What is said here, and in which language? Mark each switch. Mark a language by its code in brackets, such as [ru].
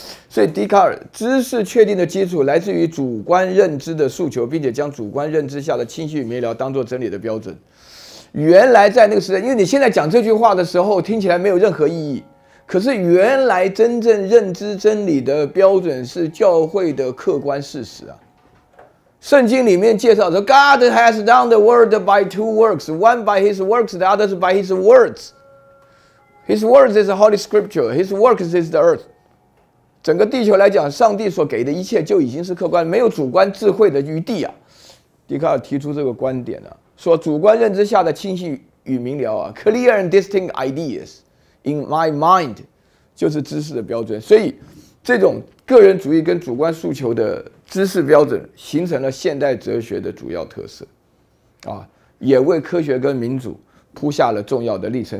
[zh] 所以笛卡尔，知识确定的基础来自于主观认知的诉求，并且将主观认知下的清晰与明了当作真理的标准。原来在那个时代，因为你现在讲这句话的时候听起来没有任何意义，可是原来真正认知真理的标准是教会的客观事实啊。圣经里面介绍说 [en] God has done the world by two works, one by his works, the other by his words. His words is the Holy Scripture, his works is the earth. [zh] 整个地球来讲，上帝所给的一切就已经是客观，没有主观智慧的余地啊。笛卡尔提出这个观点啊，说主观认知下的清晰与明了啊 , [en] clear and distinct ideas in my mind, [zh] 就是知识的标准。所以这种个人主义跟主观诉求的知识标准形成了现代哲学的主要特色，啊，也为科学跟民主铺下了重要的历程。